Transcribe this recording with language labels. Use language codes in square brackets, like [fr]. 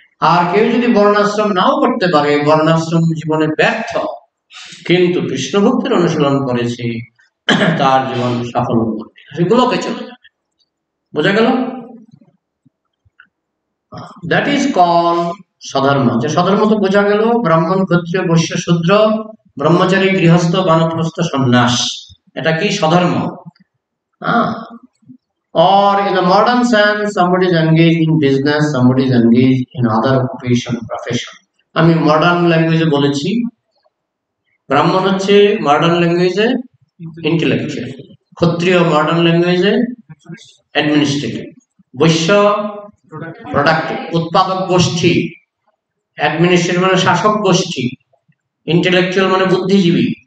[bn] আর কেউ যদি বর্ণাশ্রম নাও করতে পারে, বর্ণাশ্রম জীবনে ব্যর্থ কিন্তু কৃষ্ণ ভক্তির অনুশীলন করেছে, তার জীবন সফল সেগুলোকে চলে যাবে, বোঝা গেল। [en] that is call [bn] সধর্ম, যে সধর্ম তো বোঝা গেল, ব্রাহ্মণ ক্ষত্রিয় বৈশ্য শূদ্র ব্রহ্মচারী গৃহস্থ বানপ্রস্থ সন্ন্যাস, এটা কি সধর্ম। [en] Or in the modern sense, somebody is engaged in business, somebody is engaged in other occupation, profession. [bn] আমি মডার্ন ল্যাঙ্গুয়েজে বলেছি, ব্রাহ্মণ হচ্ছে মডার্ন ল্যাঙ্গুয়েজে ইন্টেলেকচুয়াল, ক্ষত্রিয় মডার্ন ল্যাঙ্গুয়েজে অ্যাডমিনিস্ট্রেটিভ, বৈশ্য প্রোডাক্টিভ উৎপাদক গোষ্ঠী, অ্যাডমিনিস্ট্রেটিভ মানে শাসক গোষ্ঠী, ইন্টেলেকচুয়াল মানে বুদ্ধিজীবী।